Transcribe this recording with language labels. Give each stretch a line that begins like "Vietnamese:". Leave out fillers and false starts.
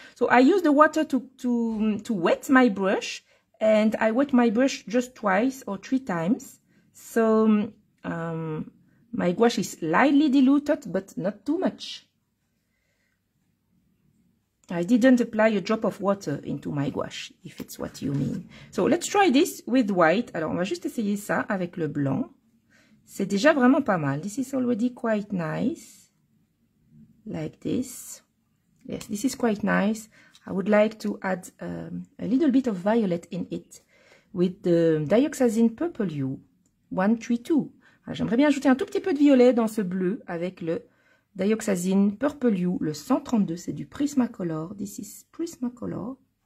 English: So I use the water to wet my brush and I wet my brush just twice or three times. So my gouache is lightly diluted but not too much. I didn't apply a drop of water into my gouache, if it's what you mean. So let's try this with white.
French: Alors on va juste essayer ça avec le blanc. C'est déjà vraiment pas mal.
English: This is already quite nice. Like this. Yes, this is quite nice. I would like to add a little bit of violet in it with the Dioxazine Purple Hue 132.
French: J'aimerais bien ajouter un tout petit peu de violet dans ce bleu avec le Dioxazine Purple Hue, le 132. C'est du Prismacolor.
English: This is Prismacolor.